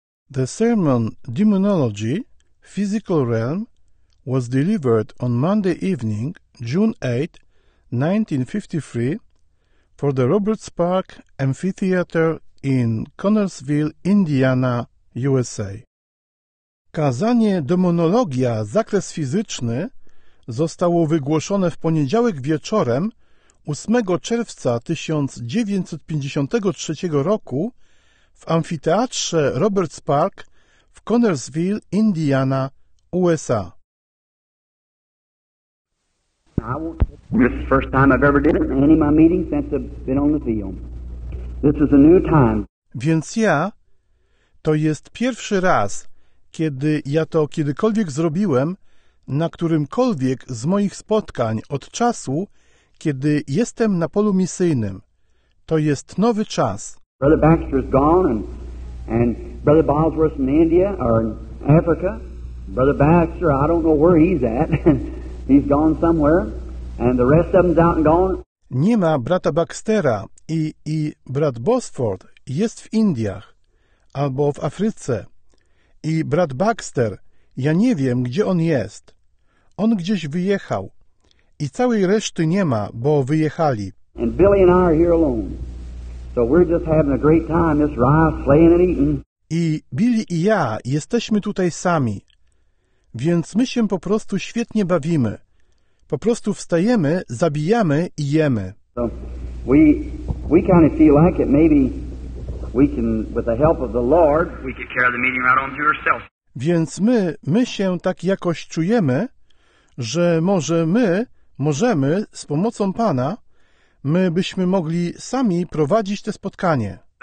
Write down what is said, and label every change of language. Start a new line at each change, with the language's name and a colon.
English: The sermon, Demonology, Physical Realm, was delivered on Monday evening, June 8, 1953, for the Roberts Park Amphitheater in Connersville, Indiana, USA.
Polish: Kazanie Demonologia, zakres fizyczny, zostało wygłoszone w poniedziałek wieczorem 8 czerwca 1953 roku w amfiteatrze Roberts Park w Connersville, Indiana, USA.
English: This is the first time I've ever did it in any of my meetings since I've been on the field. This is a new time.
Polish: Więc ja, to jest pierwszy raz, kiedy ja to kiedykolwiek zrobiłem, na którymkolwiek z moich spotkań od czasu, kiedy jestem na polu misyjnym. To jest nowy czas.
English: Brother Baxter is gone, and Brother Bosworth in India or in Africa. Brother Baxter, I don't know where he's at. He's gone somewhere, and the rest of them's out and gone.
Polish: Nie ma brata Baxtera i brat Bosworth jest w Indiach albo w Afryce. I brat Baxter, ja nie wiem, gdzie on jest. On gdzieś wyjechał. I całej reszty nie ma, bo wyjechali.
English: And Billy and I are here alone. So we're just having a great time, this rice, playing and eating.
Polish: I Billy i ja jesteśmy tutaj sami. Więc my się po prostu świetnie bawimy. Po prostu wstajemy, zabijamy i jemy.
English: So we kind of feel like it. Maybe we can, with the help of the Lord, we could carry the meeting right on to yourself.
Polish: Więc my się tak jakoś czujemy, że może my możemy z pomocą Pana, my byśmy mogli sami prowadzić te spotkanie.